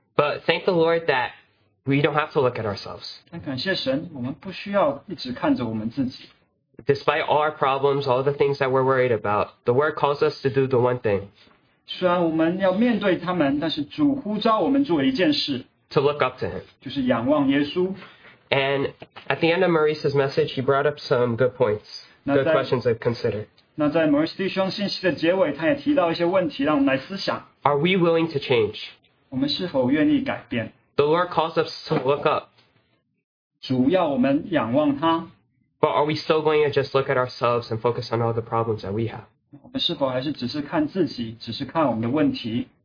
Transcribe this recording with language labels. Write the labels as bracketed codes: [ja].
[en] But thank the Lord that we don't have to look at ourselves. [zh] 但感谢神，我们不需要一直看着我们自己。 [en] Despite all our problems, all the things that we're worried about, the Word calls us to do the one thing. [zh] 虽然我们要面对他们，但是主呼召我们做一件事。 [en] To look up to Him. [zh] 就是仰望耶稣。 [en] And at the end of Maurice's message, he brought up some good points, good questions to consider. [zh] 那在Maurice弟兄信息的结尾，他也提到一些问题，让我们来思想。 [en] Are we willing to change? [zh] 我们是否愿意改变？ [en] The Lord calls us to look up. [zh] 主要我们仰望他。 [en] But are we still going to just look at ourselves and focus on all the problems that we have? [zh] 我们是否还是只是看自己，只是看我们的问题？